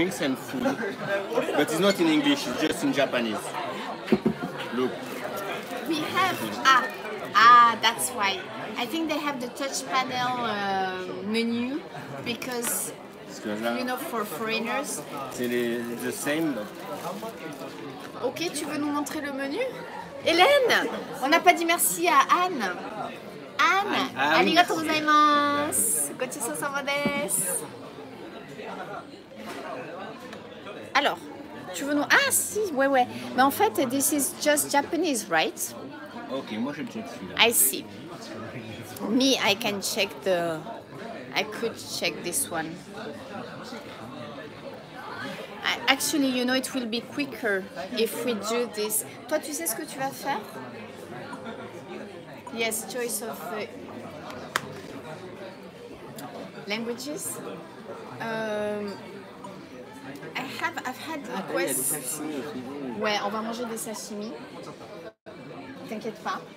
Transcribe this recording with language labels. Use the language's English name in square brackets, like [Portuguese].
[English] Drinks and food, but it's not in English, it's just in Japanese, look. We have, ah, that's why. I think they have the touch panel menu because, you know, for foreigners. C'est the same. [French] Ok, tu veux nous montrer le menu? Hélène, on n'a pas dit merci à Anne. [Japanese] Anne, arigato gozaimasu. Gochisou sama desu. [French] Alors, tu veux nous... Ah si, ouais, ouais. Mais en fait, [English] this is just Japanese, right? [French] Ok, moi je check [English] celui-là. I see. Me, I can check the... I could check this one. Actually, you know, it will be quicker if we do this. [French] Toi, tu sais ce que tu vas faire? [English] Yes, choice of languages. I've had requests. [French] Ouais, on va manger des sashimi. T'inquiète pas.